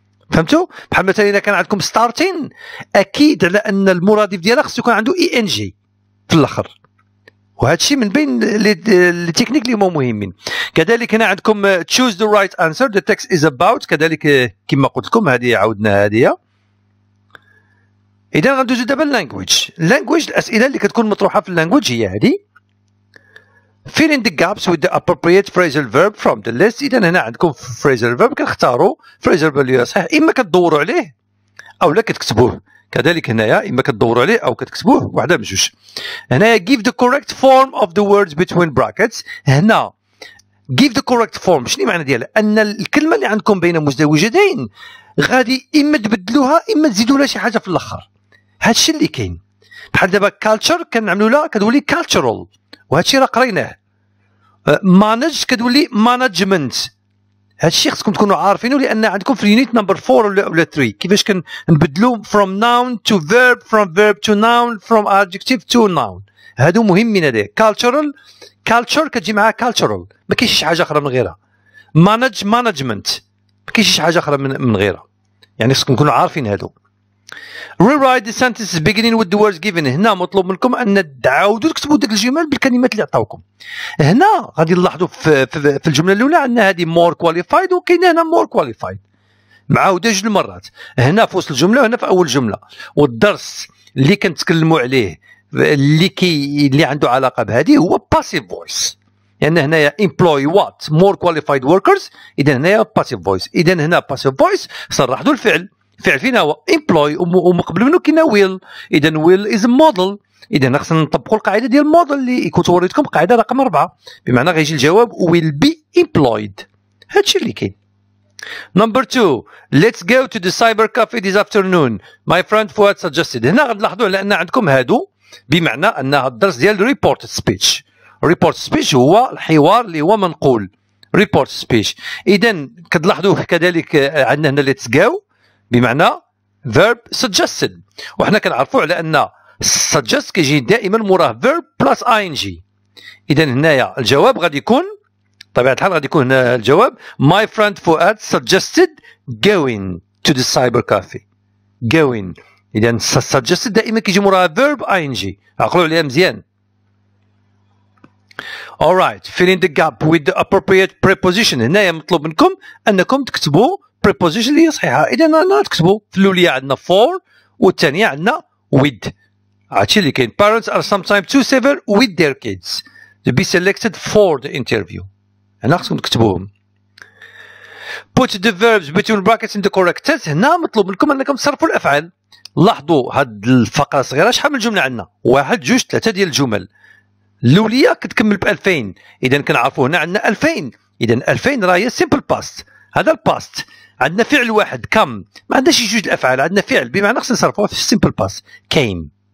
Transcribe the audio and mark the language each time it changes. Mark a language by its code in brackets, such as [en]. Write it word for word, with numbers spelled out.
[ar] فهمتوا؟ بحال مثلا اذا كان عندكم ستارتين اكيد على ان المرادف ديالها خصو يكون عنده اي ان جي في الاخر، وهذا الشيء من بين التكنيك اللي هما مهمين. كذلك هنا عندكم [en] choose the right answer the text is about. [ar] كذلك كما قلت لكم هذه عاودنا هذه. إذا غندوزو دابا للانجويج. لانجويج الأسئلة اللي كتكون مطروحة في اللانجويج هي هذه. [en] fill in the gaps with the appropriate phrasal verb from the list. [ar] إذا هنا عندكم phrasal verb كنختاروا phrasal verb اللي صحيح، إما كتدوروا عليه أو لا كتكتبوه. كذلك هنايا إما كتدوروا عليه أو كتكتبوه، واحدة من جوج. هنايا [en] give the correct form of the words between brackets. [ar] هنا [en] give the correct form [ar] شنو معنى ديالها؟ أن الكلمة اللي عندكم بين مزدوجتين غادي إما تبدلوها إما تزيدوا لها شي حاجة في الآخر. هادشي اللي كاين. بحال دابا كالتشر كنعملوا لها كتولي كالتشرال، وهادشي راه قريناه. مانج كتولي مانجمنت. هادشي خصكم تكونوا عارفينه، لان عندكم في اليونيت نمبر أربعة ولا ولا ثلاثة كيفاش كنبدلوا [en] from noun to verb from verb to noun [ar] from adjective to noun. هادو مهمين. هذا كالتشرال كالتشر كتجي معها كالتشرال، ما كاينش شي حاجه اخرى من غيرها. مانج مانجمنت ما كاينش شي حاجه اخرى من من غيرها، يعني خصكم تكونوا عارفين هادو. [en] Rewrite the sentences beginning with the words given. [ar] هنا مطلوب منكم أن تعاودوا تكتبوا ديك الجمل بالكلمات اللي عطاوكم. هنا غادي نلاحظوا في, في, في الجملة الأولى عندنا هذه [en] more qualified، [ar] وكاينه هنا more qualified معاودة جوج المرات، هنا في وسط الجملة وهنا في أول جملة. والدرس اللي كنتكلموا عليه اللي كي اللي عنده علاقة بهذه هو passive voice، لأن يعني هنا [en] employ what more qualified workers. [ar] إذا هنا passive voice. إذا هنا passive voice صرحوا الفعل. فعل فينا هو employ، ومقبل منه كنا will. [en] إذا will is a model. [ar] إذا خصنا نطبقوا القاعدة ديال model اللي كنت وريتكم، قاعدة رقم أربعة، بمعنى غيجي الجواب [en] will be employed. [ar] هادشي اللي كاين. [en] Number two, let's go to the cyber cafe this afternoon. My friend Fuad suggested. [ar] هنا غنلاحظوا لأن عندكم هادو بمعنى أن هاد الدرس ديال reported speech. reported speech هو الحوار اللي هو منقول. [en] reported speech. [ar] إذا كتلاحظوا كذلك عندنا هنا [en] let's go [ar] بمعنى verb suggested، وحنا كنعرفوا على ان suggest كيجي دائما موراه verb plus ing. اذا هنايا الجواب غادي يكون طبيعة الحال غادي يكون هنا الجواب [en] my friend Fuad suggested going to the cyber cafe. [ar] going اذا [en] suggested [ar] دائما كيجي موراه verb ing. عقلوا عليها مزيان. [en] alright fill in the gap with the appropriate preposition. [ar] هنايا مطلوب منكم انكم تكتبوا preposition اللي هي صحيحه. اذا انا تكتبوا في الاولى عندنا for والثانيه عندنا with. عرفتي اللي كاين [en] parents are sometimes too severe with their kids to be selected for the interview. [ar] هنا خصكم تكتبوهم. [en] put the verbs between brackets in the correct tense. [ar] هنا مطلوب منكم انكم تصرفوا الافعال. لاحظوا هاد الفقره صغيره شحال من جمله عندنا؟ واحد جوج ثلاثه ديال الجمل. الاوليه كتكمل ب ألفين، اذا كنعرفوا هنا عندنا ألفين. اذا ألفين راه هي simple past. هذا الباست عندنا فعل واحد كم، ما عندناش جوج الافعال، عندنا فعل بمعنى خصنا نصرفوه في السيمبل باست كاين.